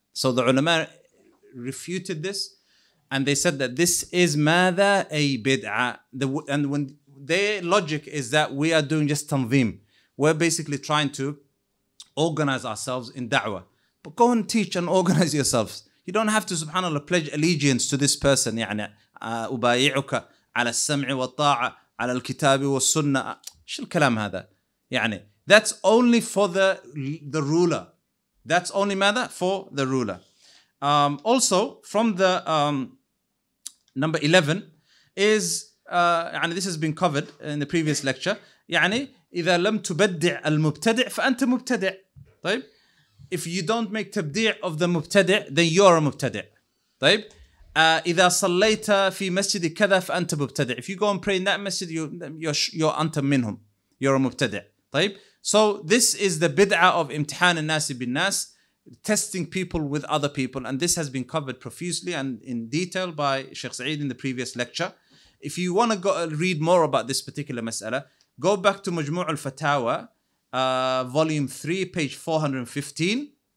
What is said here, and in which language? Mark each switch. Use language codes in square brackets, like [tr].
[en] So the ulama refuted this, and they said that this is ماذا a bid'a. And when their logic is that we are doing just tanzeem, we're basically trying to organize ourselves in da'wah. But go and teach and organize yourselves. You don't have to, subhanAllah, pledge allegiance to this person. [ar] يعني أبايعك على السمع والطاعة على الكتاب والسنة. إيش الكلام هذا؟ [en] يعني that's only for the ruler. That's only matter for the ruler. Also, from the number 11 is, يعني this has been covered in the previous lecture. [ar] يعني إذا لم تبدع المبتدع فأنت مبتدع. طيب. [en] If you don't make تبديع of the مبتدع, then you're a مبتدع. [ar] طيب. إذا صليت في مسجد كذا فأنت مبتدع. [en] If you go and pray in that masjid, you're [ar] أنت منهم. [en] You're a مبتدع. [ar] طيب. [en] So this is the bid'ah of imtihan al-nas bin-nas, testing people with other people. And this has been covered profusely and in detail by Sheikh Sa'id in the previous lecture. If you want to go read more about this particular mas'ala, go back to Majmu' al-Fatawa, volume 3, page 415.